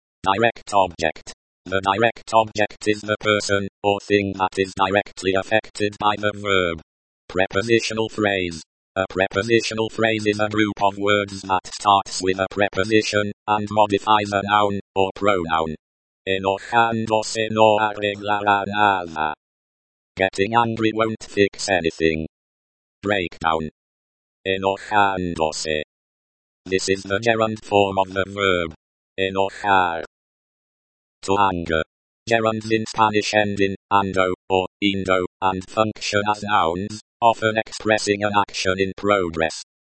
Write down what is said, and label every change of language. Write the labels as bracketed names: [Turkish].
[English] Direct object. The direct object is the person, or thing that is directly affected by the verb. Prepositional phrase. A prepositional phrase is a group of words that starts with a preposition, and modifies a noun, or pronoun. [Spanish] Enojándose no arreglará nada. [English] Getting angry won't fix anything. Breakdown. Enojándose. This is the gerund form of the verb. Enojar. To anger. Gerunds in Spanish end in ando, or indo, and function as nouns, often expressing an action in progress.